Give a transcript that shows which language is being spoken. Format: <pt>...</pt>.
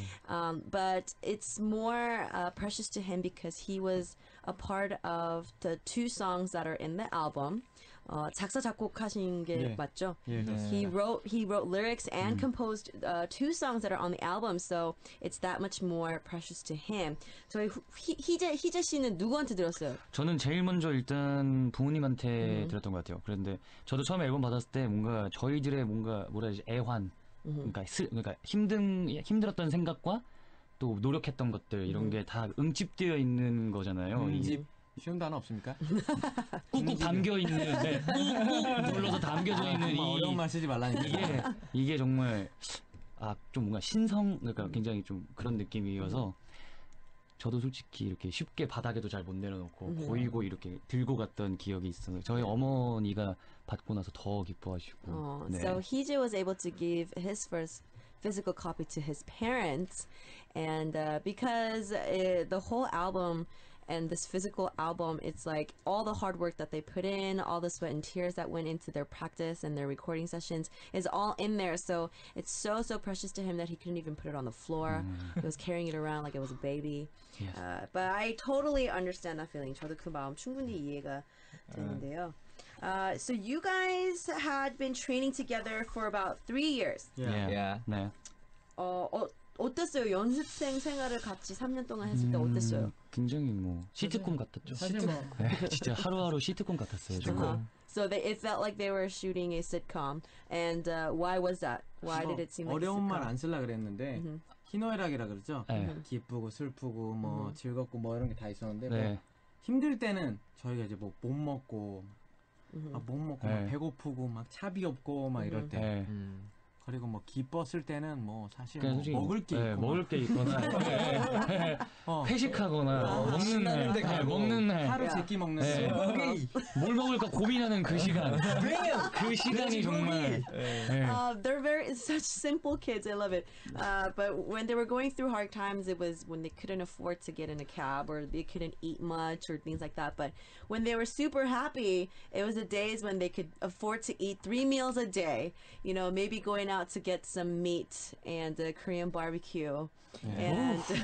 <en>But it's more precious to him because he was a part of the two songs that are in the album.</en> <ko>작사 작곡하신 게 맞죠?</ko> <en>He wrote lyrics and composed two songs that are on the album. So it's that much more precious to him.</en> <ko>So 희재 씨는 누구한테 들었어요? 저는 제일 먼저 일단 부모님한테 들었던 것 같아요. 그런데 저도 처음에 앨범 받았을 때 뭔가 저희들의 뭔가 뭐라 해야지 애환, 그러니까 힘들었던 생각과 또 노력했던 것들 이런 게 다 응집되어 있는 거잖아요. 응집. 쉬운 단어 없습니까? 꾹꾹 담겨 있는, 네. 꾹꾹 눌러서 담겨져 있는 이 어려운 말 쓰지 말라니까 이게 정말 아 좀 뭔가 신성 그러니까 굉장히 좀 그런 느낌이어서 저도 솔직히 이렇게 쉽게 바닥에도 잘 못 내려놓고 보이고 이렇게 들고 갔던 기억이 있어서 저희 어머니가 받고 나서 더 기뻐하시고.</ko> <en>So he was able to give his first physical copy to his parents, and because the whole album. And this physical album, it's like all the hard work that they put in, all the sweat and tears that went into their practice and their recording sessions is all in there. So it's so, so precious to him that he couldn't even put it on the floor. He was carrying it around like it was a baby. Yes. But I totally understand that feeling.</en> <ko>저도 그 마음 충분히 이해가 되는데요.</ko> <en>So you guys had been training together for about 3 years. Yeah.</en> <ko>네. 어땠어요? 연습생 생활을 같이 3년 동안 했을 때 어땠어요? 굉장히 뭐 시트콤 같았죠. 진짜 하루하루 시트콤 같았어요.</ko> <en>So they, it felt like they were shooting a sitcom. And why was that? Why did it seem like a sitcom?</en> <ko>어려운 말 안 쓰려고 그랬는데 희노애락이라 그러죠? 네. 기쁘고 슬프고 뭐 즐겁고 뭐 이런 게 다 있었는데 네. 힘들 때는 저희가 이제 뭐 못 먹고 아, 못 먹고 네. 막 배고프고 막 차비 없고 막 이럴 때 네. 그리고 뭐 기뻤을 때는 뭐 사실 뭐 솔직히, 먹을 게 네, 있고 먹을 게 있거나 회식하거나 먹는 날 먹는 날 하루 제끼 먹는 네. 뭘 먹을까 고민하는 그 시간 그 시간이 정말</ko> <en>they're very such simple kids. I love it. But when they were going through hard times, it was when they couldn't afford to get in a cab or they couldn't eat much or things like that. But when they were super happy, it was the days when they could afford to eat three meals a day. You know, maybe going out to get some meat and a Korean barbecue and</en>